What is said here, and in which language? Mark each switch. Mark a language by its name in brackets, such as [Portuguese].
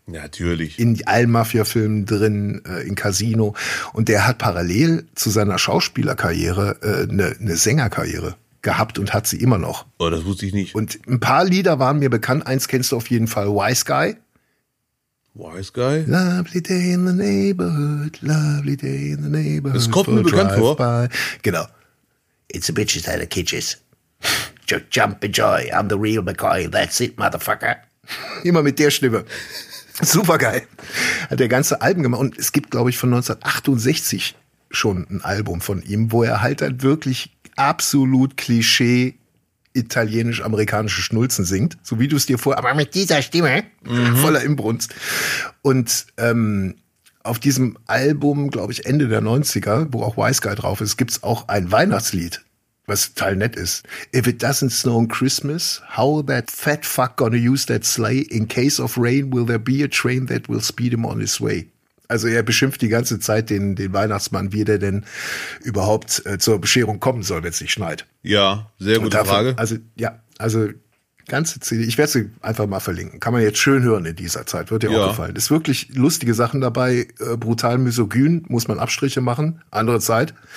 [German] Ja, natürlich. In allen Mafia-Filmen drin, in Casino. Und der hat parallel zu seiner Schauspielerkarriere eine Sängerkarriere gehabt und hat sie immer noch. Oh, das wusste ich nicht. Und ein paar Lieder waren mir bekannt. Eins kennst du auf jeden Fall, Wise Guy. Wise Guy? [English] Lovely day in the neighborhood, lovely day in the neighborhood. [German] Das kommt mir bekannt vor. Genau. [English] It's a bitches that are kitches. Jump and joy, I'm the real McCoy, that's it, motherfucker. [German] Immer mit der Stimme. Supergeil. Hat der ganze Album gemacht. Und es gibt, glaube ich, von 1968 schon ein Album von ihm, wo er halt dann wirklich absolut Klischee italienisch-amerikanische Schnulzen singt. So wie du es dir vorher, aber mit dieser Stimme, voller Imbrunst. Und auf diesem Album, glaube ich, Ende der 90er, wo auch Wise Guy drauf ist, gibt es auch ein Weihnachtslied, was total nett ist. [English] If it doesn't snow on Christmas, how that fat fuck gonna use that sleigh? In case of rain, will there be a train that will speed him on his way? [German] Also er beschimpft die ganze Zeit den Weihnachtsmann, wie der denn überhaupt zur Bescherung kommen soll, wenn es nicht schneit. Ja, sehr gute Frage. Also ganze CD, ich werde sie einfach mal verlinken. Kann man jetzt schön hören in dieser Zeit, wird dir auch gefallen. Ist wirklich lustige Sachen dabei, brutal misogyn, muss man Abstriche machen, andere Zeit.